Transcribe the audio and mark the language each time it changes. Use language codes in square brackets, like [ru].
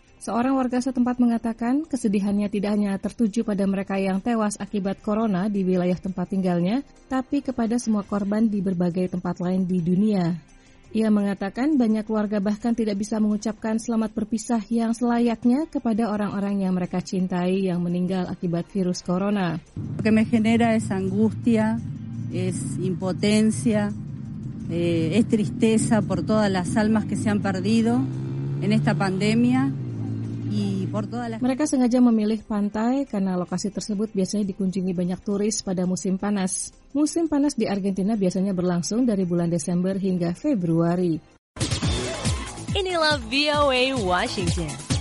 [id] Seorang warga setempat mengatakan kesedihannya tidak hanya tertuju pada mereka yang tewas akibat corona di wilayah tempat tinggalnya, tapi kepada semua korban di berbagai tempat lain di dunia. Ia mengatakan banyak keluarga bahkan tidak bisa mengucapkan selamat berpisah yang selayaknya kepada orang-orang yang mereka cintai yang meninggal akibat virus corona. [es] Lo que me genera es angustia, es impotencia, es tristeza por todas las almas que se han perdido en esta pandemia. [id] Mereka sengaja memilih pantai karena lokasi tersebut biasanya dikunjungi banyak turis pada musim panas. Musim panas di Argentina biasanya berlangsung dari bulan Desember hingga Februari. Inilah VOA Washington.